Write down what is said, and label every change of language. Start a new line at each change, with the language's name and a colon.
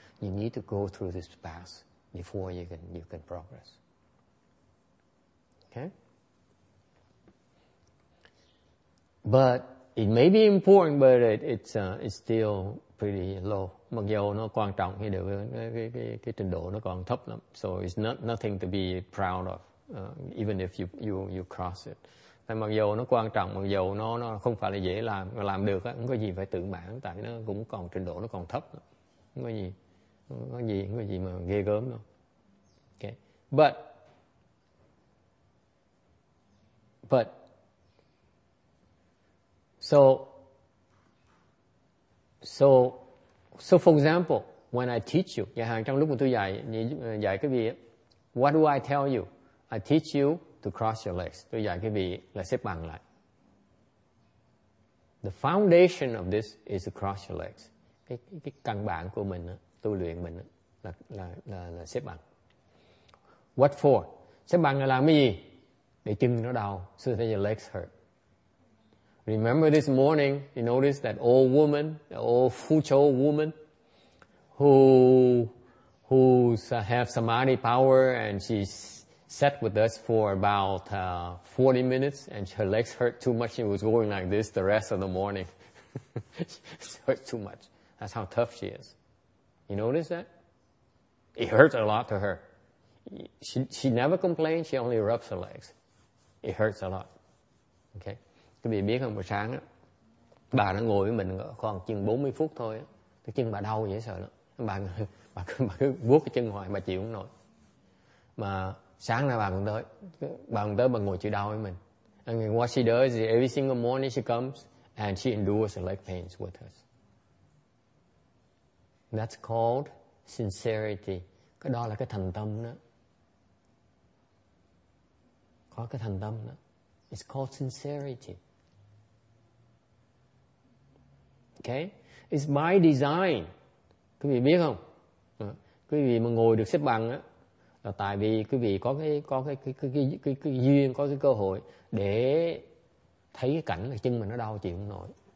English: You need to go through this path before you can progress. Okay? But it may be important, but it's still pretty low.
Vietnamese: Mặc dù nó quan trọng thì được, cái trình độ nó còn thấp lắm.
English: So it's nothing to be proud of. Even if you cross it.
Vietnamese: Tại mặc dù nó quan trọng, mặc dù nó không phải là dễ làm, mà làm được á, không có gì phải tự mãn, tại nó cũng còn trình độ nó còn thấp. Không có gì mà ghê gớm đâu.
English: Okay. But so for example, when I teach you,
Vietnamese: chẳng hạn trong lúc mà tôi dạy cái gì,
English: what do I tell you? I teach you to cross your legs.
Vietnamese: Tôi dạy quý vị là xếp bằng lại.
English: The foundation of this is to cross your legs.
Vietnamese: Cái căn bản của mình á, tu luyện mình á, là xếp bằng.
English: What for?
Vietnamese: Xếp bằng là làm cái gì? Để chân nó đau.
English: So that your legs hurt. Remember this morning, you noticed that old woman, the old Fucho woman, who have samadhi power, and she's sat with us for about 40 minutes, and her legs hurt too much. She was going like this the rest of the morning. She hurt too much. That's how tough she is. You notice that? It hurts a lot to her. She never complains. She only rubs her legs. It hurts a lot. Okay.
Vietnamese: Các vị biết không, buổi sáng á, bà nó ngồi với mình khoảng chừng 40 phút thôi á, cái chân bà đau dễ sợ lắm. Bà cứ vuốt cái chân hoài, bà chịu không nổi. Mà sáng nay bà còn tới, bà ngồi chịu đau với mình.
English: And what she does is every single morning she comes and she endures the leg pains with us. That's called sincerity.
Vietnamese: Cái đó là cái thành tâm đó. Có cái thành tâm đó.
English: It's called sincerity. Okay? It's by design.
Vietnamese: Quý vị biết không? Quý vị mà ngồi được xếp bằng á, là tại vì quý vị có cái duyên, có cái cơ hội để thấy cái cảnh là chân mình nó đau chịu không nổi.